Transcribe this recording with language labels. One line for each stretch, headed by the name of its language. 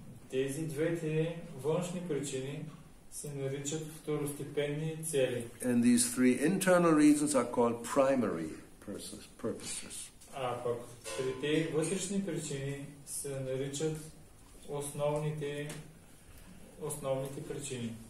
Bulgarian: Тези двете външни причини се наричат второстепенни цели.
English: And these three internal reasons are called primary purposes.
Bulgarian: А пък трите вътрешни причини се наричат основните причини.